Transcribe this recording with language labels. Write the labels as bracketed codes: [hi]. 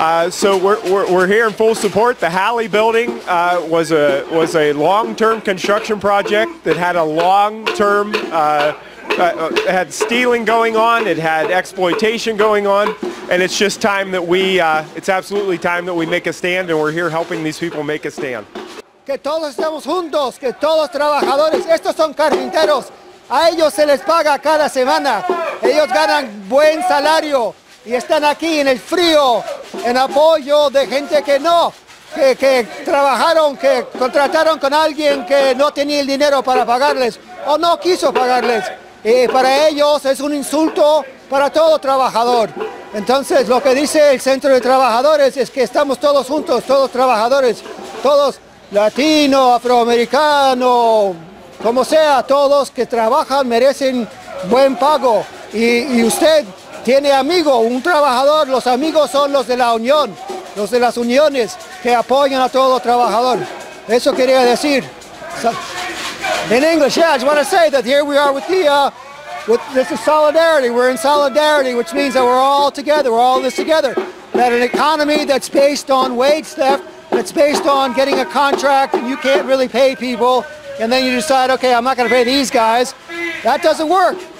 [en] So we're here in full support. The Halle Building was a long-term construction project that had a long-term had stealing going on. It had exploitation going on. And it's just time that we, it's absolutely time that we make a stand, and we're here helping these people make a stand. [es] Que todos estemos juntos, que todos los trabajadores, estos son carpinteros, a ellos se les paga cada semana. Ellos ganan buen salario, y están aquí en el frío, en apoyo de gente que no, que trabajaron, que contrataron con alguien que no tenía el dinero para pagarles, o no quiso pagarles. Y para ellos es un insulto para todo trabajador. Entonces, lo que dice el Centro de Trabajadores es que estamos todos juntos, todos trabajadores, todos latino, afroamericano, como sea, todos que trabajan merecen buen pago. Y usted tiene amigo, un trabajador, los amigos son los de la unión, los de las uniones que apoyan a todo trabajador. Eso quería decir. [en] In English, yeah, I just want to say that here we are with the... this is solidarity. We're in solidarity, which means that we're all together. We're all in this together. That an economy that's based on wage theft, that's based on getting a contract, and you can't really pay people, and then you decide, okay, I'm not going to pay these guys. That doesn't work.